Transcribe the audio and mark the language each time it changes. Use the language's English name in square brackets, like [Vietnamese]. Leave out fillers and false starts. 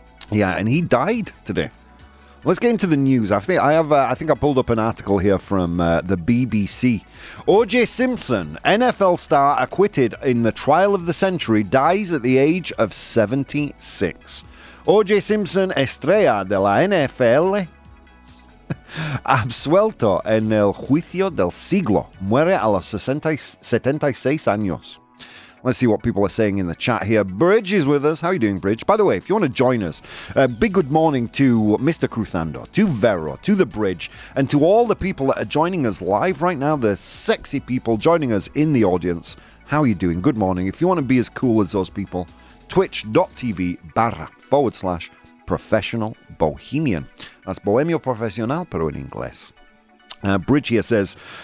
[English] Yeah, and he died today. Let's get into the news. I think I pulled up an article here from the BBC. OJ Simpson, NFL star acquitted in the trial of the century, dies at the age of 76. [Spanish] OJ Simpson, estrella de la NFL, absuelto en el juicio del siglo, muere a los 76 años. [English] Let's see what people are saying in the chat here. Bridge is with us. How are you doing, Bridge? By the way, if you want to join us, a big good morning to Mr. Cruthando, to Vero, to the Bridge, and to all the people that are joining us live right now, the sexy people joining us in the audience. How are you doing? Good morning. If you want to be as cool as those people, twitch.tv/professionalbohemian. That's Bohemio Profesional, [Spanish] pero en inglés. [English] Bridge here says,